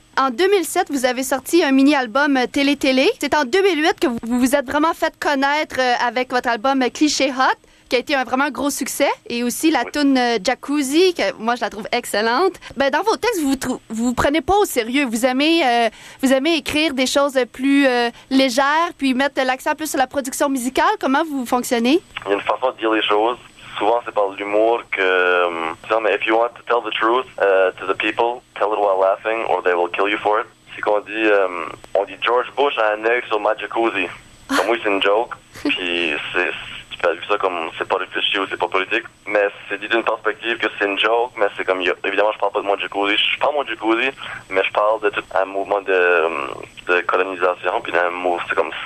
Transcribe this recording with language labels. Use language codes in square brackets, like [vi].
[fr] En 2007, vous avez sorti un mini-album Télé-Télé. C'est en 2008 que vous vous êtes vraiment fait connaître avec votre album Cliché Hot, qui a été un vraiment gros succès, et aussi la toune Jacuzzi, que moi, je la trouve excellente. Ben, dans vos textes, vous prenez pas au sérieux. Vous aimez écrire des choses plus légères, puis mettre l'accent plus sur la production musicale. Comment vous fonctionnez? Il y a une façon de dire les choses. Souvent, c'est par l'humour que... [en] If you want to tell the truth to the people, tell it while laughing, or they will kill you for it. [fr] C'est qu'on dit... On dit George Bush a un œil sur ma Jacuzzi. Comme oui, c'est une joke, puis c'est... Ben, vu ça comme c'est pas réfléchi ou c'est pas politique, mais c'est dit d'une perspective que c'est une joke, mais c'est comme, évidemment, je parle pas de mon jacuzzi, je parle de mon jacuzzi, mais je parle de tout un mouvement de colonisation, puis d'un mouvement, c'est comme,